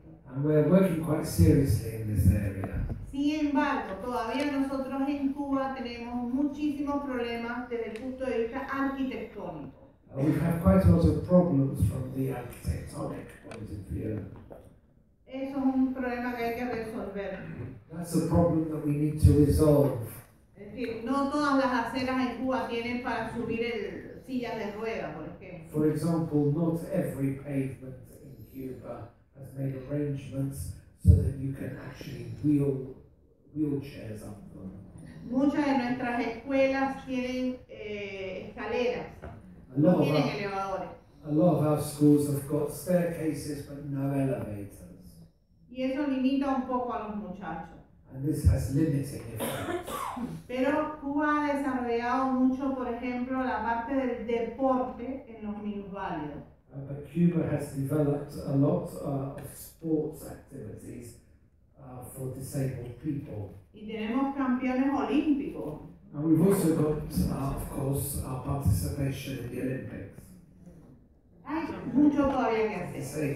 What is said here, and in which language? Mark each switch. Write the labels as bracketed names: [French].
[English] And we're working quite seriously in this area. [Spanish] Sin embargo, todavía nosotros en Cuba tenemos muchísimos problemas desde el punto de vista arquitectónico. [English] We have quite a lot of problems from the architectonic point of view. [Spanish] Eso es un problema que hay que resolver. [English] That's a problem that we need to resolve. [Spanish] Es decir, no todas las aceras en Cuba tienen para subir el silla de rueda, por ejemplo. [English] For example, not every pavement in Cuba has made arrangements so that you can actually wheelchairs up them. [Spanish] Muchas de nuestras escuelas tienen escaleras, no tienen elevadores. [English] A lot of our schools have got staircases but no elevators. [Spanish] Y eso limita un poco a los muchachos. [English] And this has limited effects. [Spanish] Pero Cuba ha desarrollado mucho, por ejemplo, la parte del deporte en los minusválidos. [English] But Cuba has developed a lot of sports activities for disabled people. [Spanish] Y tenemos campeones olímpicos. [English] And we've also got, of course, our participation in the Olympics. [Spanish] Hay mucho todavía que hacer.